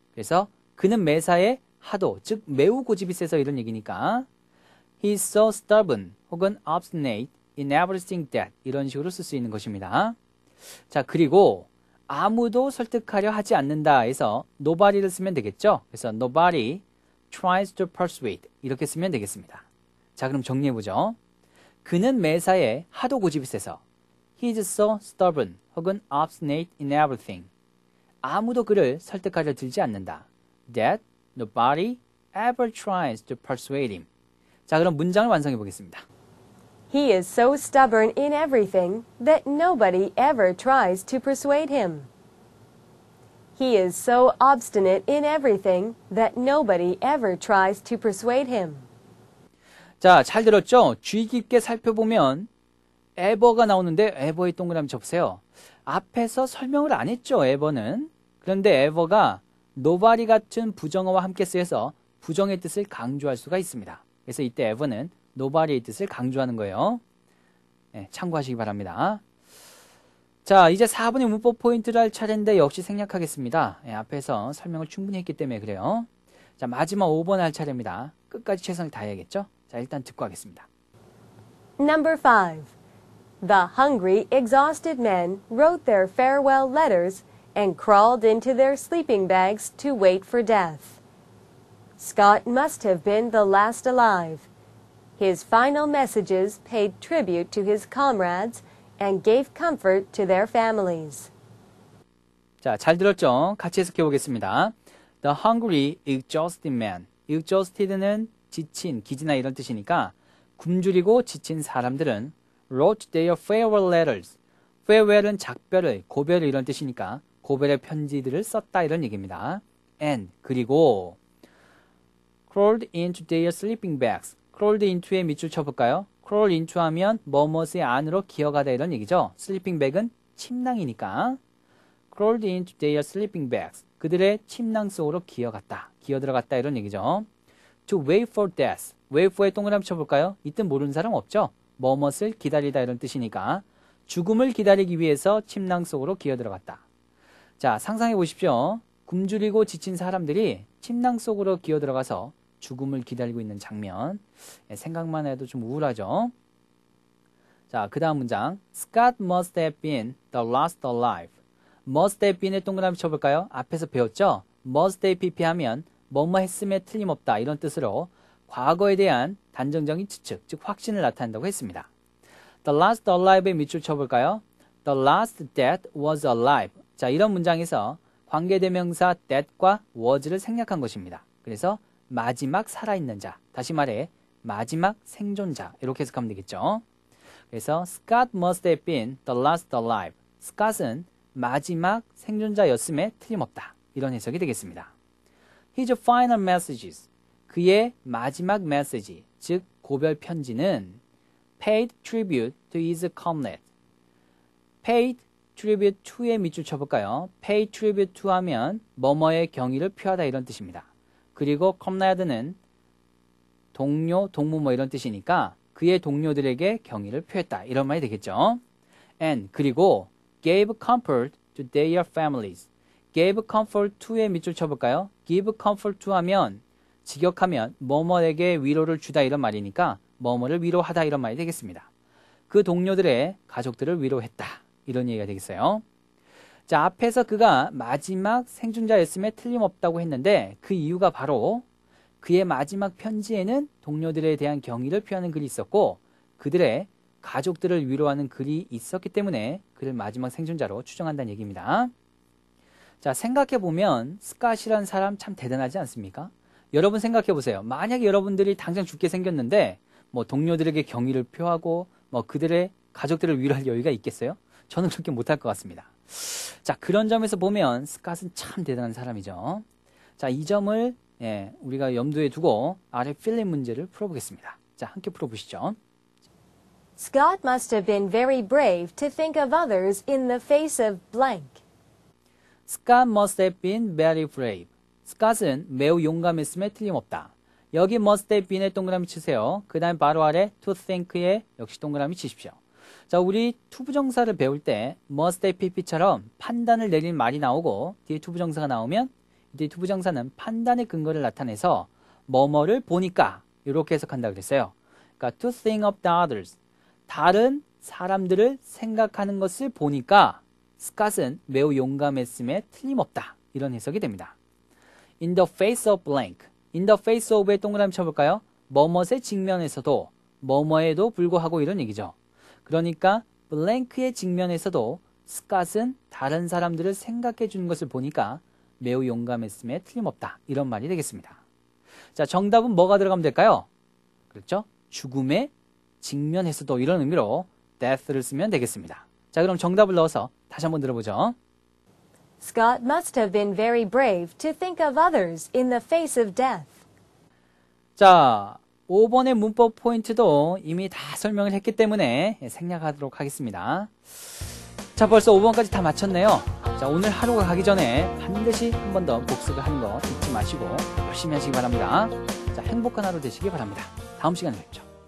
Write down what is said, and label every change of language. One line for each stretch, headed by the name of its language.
Korean: 그래서 그는 매사에 하도 즉 매우 고집이 세서 이런 얘기니까
English: he's so stubborn
Korean: 혹은
English: obstinate in everything that
Korean: 이런 식으로 쓸 수 있는 것입니다. 자, 그리고 아무도 설득하려 하지 않는다 해서 nobody를 쓰면 되겠죠. 그래서
English: nobody tries to persuade
Korean: 이렇게 쓰면 되겠습니다. 자, 그럼 정리해보죠. 그는 매사에 하도 고집이 세서
English: he's so stubborn 혹은 obstinate in everything
Korean: 아무도 그를 설득하려 들지 않는다
English: that nobody ever tries to persuade him.
Korean: 자, 그럼 문장을 완성해보겠습니다.
English: He is so stubborn in everything that nobody ever tries to persuade him. He is so obstinate in everything that nobody ever tries to persuade him.
Korean: 자, 잘 들었죠? 주의 깊게 살펴보면 ever가 나오는데 ever의 동그라미 접으세요. 앞에서 설명을 안 했죠, ever는. 그런데 ever가 nobody 같은 부정어와 함께 쓰여서 부정의 뜻을 강조할 수가 있습니다. 그래서 이때 ever는 nobody의 뜻을 강조하는 거예요. 네, 참고하시기 바랍니다. 자, 이제 4번의 문법 포인트를 할 차례인데 역시 생략하겠습니다. 네, 앞에서 설명을 충분히 했기 때문에 그래요. 자, 마지막 5번 할 차례입니다. 끝까지 최선을 다해야겠죠? 자, 일단 듣고 하겠습니다.
English: Number 5. The hungry, exhausted men wrote their farewell letters and crawled into their sleeping bags to wait for death. Scott must have been the last alive. His final messages paid tribute to his comrades and gave comfort to their families.
Korean: 자, 잘 들었죠? 같이 해석해 보겠습니다.
English: The hungry, exhausted man.
Korean: Exhausted는 지친, 기지나 이런 뜻이니까 굶주리고 지친 사람들은
English: wrote their farewell letters.
Korean: Farewell은 작별을, 고별을 이런 뜻이니까 고별의 편지들을 썼다 이런 얘기입니다.
English: And 그리고 crawled into their sleeping bags.
Korean: crawled into에 밑줄 쳐볼까요? crawl into 하면 뭐뭐의 안으로 기어가다 이런 얘기죠. sleeping bag은 침낭이니까
English: crawled into their sleeping bags
Korean: 그들의 침낭 속으로 기어갔다 기어들어갔다 이런 얘기죠.
English: to wait for death wait for에
Korean: 동그라미 쳐볼까요? 이뜻 모르는 사람 없죠? 뭐뭐을 기다리다 이런 뜻이니까 죽음을 기다리기 위해서 침낭 속으로 기어들어갔다. 자, 상상해 보십시오. 굶주리고 지친 사람들이 침낭 속으로 기어들어가서 죽음을 기다리고 있는 장면. 예, 생각만 해도 좀 우울하죠. 자, 그 다음 문장.
English: Scott must have been the last alive.
Korean: Must have been의 동그라미 쳐볼까요? 앞에서 배웠죠? Must have PP 하면 뭐뭐 했음에 틀림없다 이런 뜻으로 과거에 대한 단정적인 추측, 즉 확신을 나타낸다고 했습니다.
English: The last alive의
Korean: 밑줄 쳐볼까요?
English: The last that was alive.
Korean: 자, 이런 문장에서 관계대명사 that과 was를 생략한 것입니다. 그래서 마지막 살아있는 자, 다시 말해 마지막 생존자 이렇게 해석하면 되겠죠.
English: 그래서 Scott must have been the last alive.
Korean: Scott은 마지막 생존자였음에 틀림없다 이런 해석이 되겠습니다.
English: His final messages,
Korean: 그의 마지막 메시지 즉 고별 편지는
English: paid tribute to his comrades.
Korean: paid tribute to의 밑줄 쳐볼까요? paid tribute to 하면 뭐뭐의 경의를 표하다 이런 뜻입니다. 그리고 comrade는 동료, 동무 뭐 이런 뜻이니까 그의 동료들에게 경의를 표했다. 이런 말이 되겠죠.
English: And 그리고 gave comfort to their families.
Korean: gave comfort to의 밑줄 쳐볼까요? give comfort to 하면 직역하면 뭐뭐에게 위로를 주다 이런 말이니까 뭐뭐를 위로하다 이런 말이 되겠습니다. 그 동료들의 가족들을 위로했다. 이런 얘기가 되겠어요. 자, 앞에서 그가 마지막 생존자였음에 틀림없다고 했는데 그 이유가 바로 그의 마지막 편지에는 동료들에 대한 경의를 표하는 글이 있었고 그들의 가족들을 위로하는 글이 있었기 때문에 그를 마지막 생존자로 추정한다는 얘기입니다. 자, 생각해보면 스캇이라는 사람 참 대단하지 않습니까? 여러분 생각해보세요. 만약에 여러분들이 당장 죽게 생겼는데 뭐 동료들에게 경의를 표하고 뭐 그들의 가족들을 위로할 여유가 있겠어요? 저는 그렇게 못할 것 같습니다. 자, 그런 점에서 보면 스캇은 참 대단한 사람이죠. 자, 이 점을 예, 우리가 염두에 두고 아래 필립 문제를 풀어보겠습니다. 자, 함께 풀어보시죠.
English: Scott must have been very brave to think of others in the face of blank. Scott must have been very brave.
Korean: Scott은 매우 용감했음에 틀림없다. 여기 must have been의 동그라미 치세요. 그 다음 바로 아래 to think의 역시 동그라미 치십시오. 자, 우리 투부정사를 배울 때 must have pp처럼 판단을 내릴 말이 나오고 뒤에 투부정사가 나오면 이때 투부정사는 판단의 근거를 나타내서 뭐뭐를 보니까 이렇게 해석한다 그랬어요.
English: 그러니까 to think of the others.
Korean: 다른 사람들을 생각하는 것을 보니까 스캇은 매우 용감했음에 틀림없다. 이런 해석이 됩니다.
English: In the face of blank. In the face of의
Korean: 동그라미 쳐볼까요? 뭐뭐의 직면에서도 뭐뭐에도 불구하고 이런 얘기죠. 그러니까 blank의 직면에서도 스캇은 다른 사람들을 생각해 주는 것을 보니까 매우 용감했음에 틀림없다. 이런 말이 되겠습니다. 자, 정답은 뭐가 들어가면 될까요? 그렇죠? 죽음에 직면해서도 이런 의미로 death를 쓰면 되겠습니다. 자, 그럼 정답을 넣어서 다시 한번 들어보죠.
English: Scott must have been very brave to think of others in the face of death.
Korean: 자, 5번의 문법 포인트도 이미 다 설명을 했기 때문에 생략하도록 하겠습니다. 자, 벌써 5번까지 다 마쳤네요. 자, 오늘 하루가 가기 전에 반드시 한 번 더 복습을 하는 거 잊지 마시고 열심히 하시기 바랍니다. 자, 행복한 하루 되시기 바랍니다. 다음 시간에 뵙죠.